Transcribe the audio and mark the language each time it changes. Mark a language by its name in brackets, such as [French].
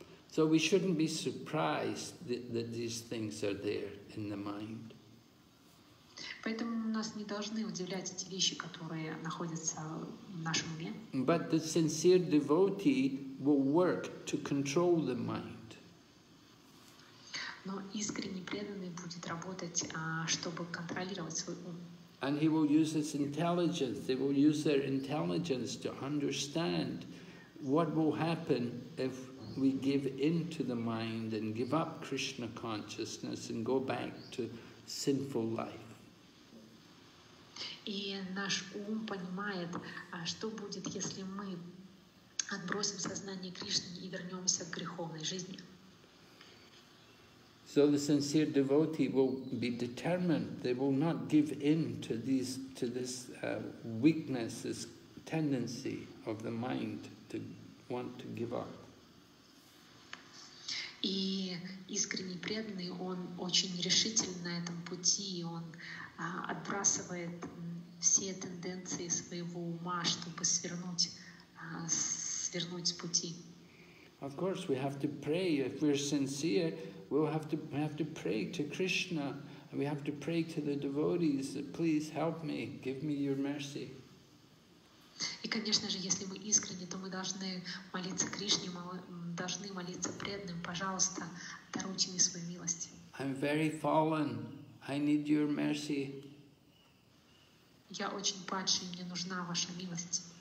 [English] So we shouldn't be surprised that these things are there in the mind. [Russian] Поэтому нас не должны удивлять эти вещи, которые находятся в нашем уме. [English] But the sincere devotee will work to control the mind. [Russian] Но искренне преданный будет работать, чтобы контролировать свой ум. [English] And he will use his intelligence, they will use their intelligence to understand what will happen if we give in to the mind and give up Krishna consciousness and go back to sinful life. [Russian] И наш ум понимает, что будет, если мы отбросим сознание Кришны и вернемся к греховной жизни. [English] So the sincere devotee will be determined, they will not give in to these, to this weakness, this tendency of the mind to want to give up. [Russian] И искренне преданный, он очень решительный на этом пути, и он отбрасывает все тенденции своего ума, чтобы свернуть с пути. [English] Of course, we have to pray. If we're sincere, we have to pray to Krishna. We have to pray to the devotees that please help me, give me your mercy. [Russian] И, конечно же, если мы искренне, то мы должны молиться Кришне, мы должны молиться преданным, пожалуйста, даруйте мне свою милость. [English] I'm very fallen. I need your mercy. [Russian] Я очень падший, мне нужна ваша милость.